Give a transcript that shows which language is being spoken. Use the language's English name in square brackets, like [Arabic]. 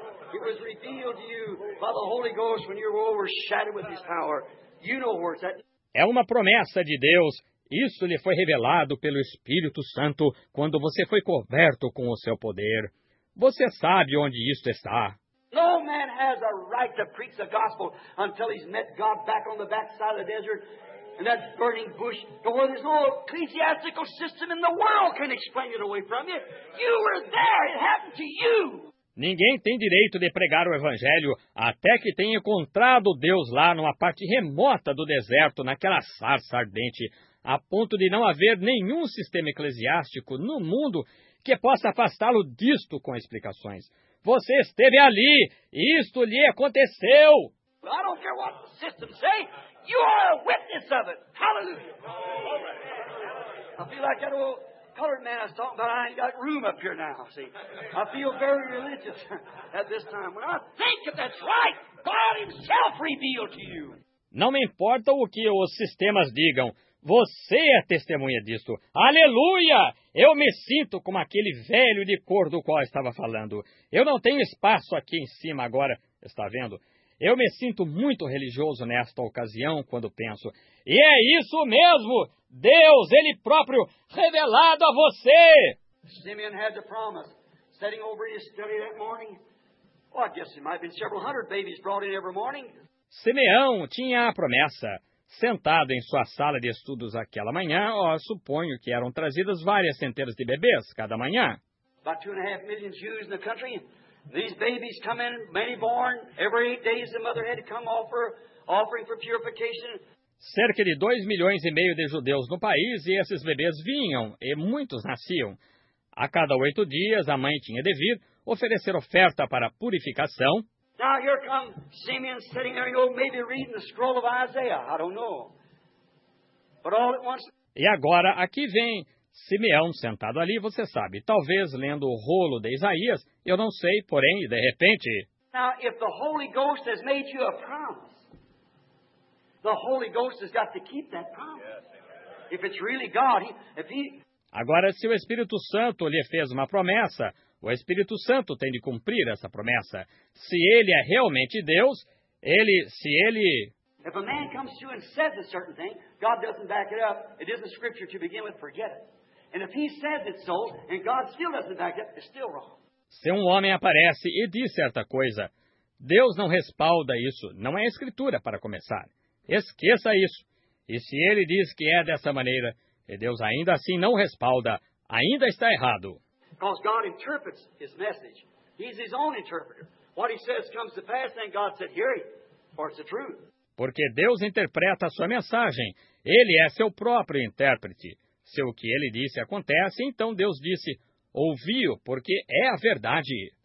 [English] It was revealed to you by the Holy Ghost when you were overshadowed with His power. You know where it's at. [Portuguese] É uma promessa de Deus. Isso lhe foi revelado pelo Espírito Santo quando você foi coberto com o seu poder. Você sabe onde isto está. [English] No man has a right to preach the gospel until he's met God back on the backside of the desert and that burning bush to where there's no ecclesiastical system in the world can explain it away from you. You were there. It happened to you. [Portuguese] Ninguém tem direito de pregar o Evangelho até que tenha encontrado Deus lá numa parte remota do deserto, naquela sarça ardente, a ponto de não haver nenhum sistema eclesiástico no mundo que possa afastá-lo disto com explicações. Você esteve ali e isto lhe aconteceu. Eu não sei o que o sistema diz, você é uma testemunha disso. Aleluia! Eu me sinto como... [English] Colored man, I was talking about. I ain't got room up here now. See, I feel very religious at this time. When I think of that's right, God Himself revealed to you. [Portuguese] Não me importa o que os sistemas digam. Você é testemunha disso. Aleluia! Eu me sinto como aquele velho de cor do qual estava falando. Eu não tenho espaço aqui em cima agora. Está vendo? Eu me sinto muito religioso nesta ocasião quando penso. E é isso mesmo! Deus, Ele próprio, revelado a você! [English] Simeon had the promise, sitting over in his study that morning. Oh, I guess it might have been several hundred babies brought in every morning. [Portuguese] Simeão tinha a promessa. Sentado em sua sala de estudos aquela manhã, suponho que eram trazidas várias centenas de bebês cada manhã. [English] About 2.5 million Jews in the country. These babies come in, many born. Every 8 days the mother had to come offer offering for purification. [Portuguese] Cerca de 2.5 milhões de judeus no país e esses bebês vinham e muitos nasciam. A cada 8 dias a mãe tinha de vir oferecer oferta para purificação. [English] Now here comes Simeon sitting there, you know, maybe reading the scroll of Isaiah. I don't know. But all at once. [Portuguese] E agora aqui vem Simeão sentado ali, você sabe, talvez lendo o rolo de Isaías, eu não sei, porém, de repente... [English] Now, if the Holy Ghost has made you a promise, the Holy Ghost has got to keep that promise. If it's really God, if he... [Portuguese] Agora, se o Espírito Santo lhe fez uma promessa, o Espírito Santo tem de cumprir essa promessa. Se ele é realmente Deus, ele, se ele... [English] If a man comes to you and says a certain thing, God doesn't back it up. It isn't scripture to begin with, forget it. And if he says it's so, and God still doesn't back it up, it's still wrong. [Portuguese] Se um homem aparece e diz certa coisa, Deus não respalda isso, não é escritura para começar. Esqueça isso. E se ele diz que é dessa maneira, e Deus ainda assim não respalda, ainda está errado. [English] Because God interprets his message. He's his own interpreter. What he says comes to pass, then God said, hear it, or it's the truth. [Portuguese] Porque Deus interpreta a sua mensagem. Ele é seu próprio intérprete. Se o que ele disse acontece, então Deus disse, ouvi-o, porque é a verdade.